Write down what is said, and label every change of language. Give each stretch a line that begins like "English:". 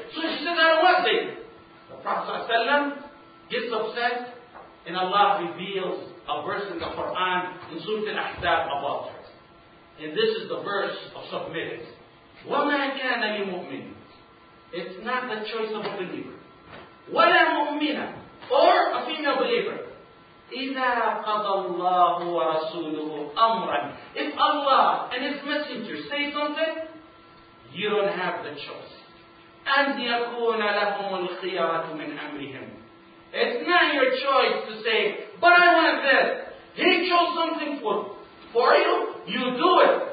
English: So she says, I don't want Zayd. The Prophet ﷺ gets upset, and Allah reveals a verse in the Quran in Surah Al-Ahzab about her. And this is the verse of submitting.
Arabic: وَمَا كَانَ لِمُؤْمِنٍ.
English: It's not the choice of a believer.
Arabic: وَلَا مُؤْمِنًا.
English: Or a female believer.
Arabic: إِذَا قَضَى اللَّهُ وَرَسُولُهُ أَمْرًا.
English: If Allah and His Messenger say something, you don't have the choice.
Arabic: أَنْ يَكُونَ لَهُمُ الْخِيَرَةُ مِنْ أَمْرِهِمْ.
English: It's not your choice to say, but I want this. He chose something for you, you do it.